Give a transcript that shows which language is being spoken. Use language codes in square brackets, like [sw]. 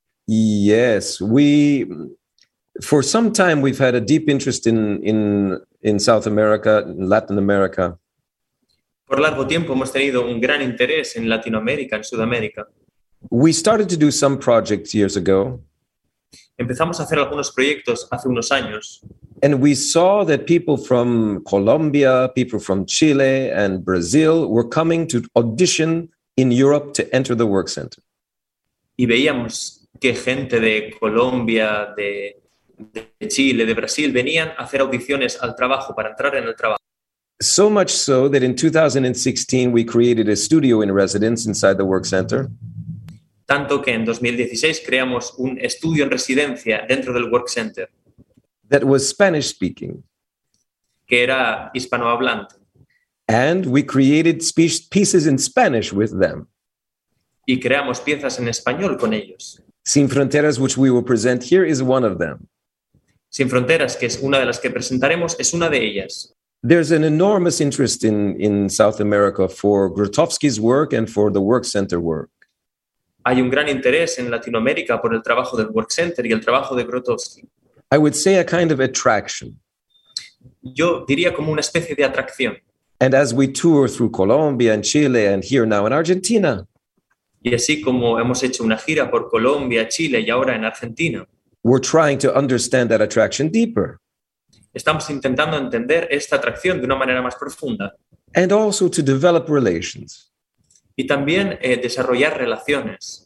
[en] Yes, for some time we've had a deep interest in South America, in Latin America. [es] Por largo tiempo hemos tenido un gran interés en Latinoamérica, en Sudamérica. [en] We started to do some projects years ago. [es] Empezamos a hacer algunos proyectos hace unos años. [en] And we saw that people from Colombia, people from Chile and Brazil were coming to audition in Europe to enter the work center. [es] Y veíamos que gente de Colombia, de Chile, de Brasil venían a hacer audiciones al trabajo, para entrar en el trabajo. [en] So much so that in 2016 we created a studio in residence inside the work center. [es] Tanto que en 2016 creamos un estudio en residencia dentro del work center. [en] That was Spanish speaking. [es] Que era hispanohablante. [en] And we created pieces in Spanish with them. [es] Y creamos piezas en español con ellos. [en] Sin Fronteras, which we will present here, is one of them. [es] Sin Fronteras, que es una de las que presentaremos, es una de ellas. [en] There's an enormous interest in South America for Grotowski's work and for the work center work. [es] Hay un gran interés en Latinoamérica por el trabajo del work center y el trabajo de Grotowski. [en] I would say a kind of attraction. [es] Yo diría como una especie de atracción. [en] And as we tour through Colombia and Chile and here now in Argentina. [es] Y así como hemos hecho una gira por Colombia, Chile y ahora en Argentina. [en] We're trying to understand that attraction deeper. [es] Estamos intentando entender esta atracción de una manera más profunda. [en] And also to develop relations. [es] Y también desarrollar relaciones.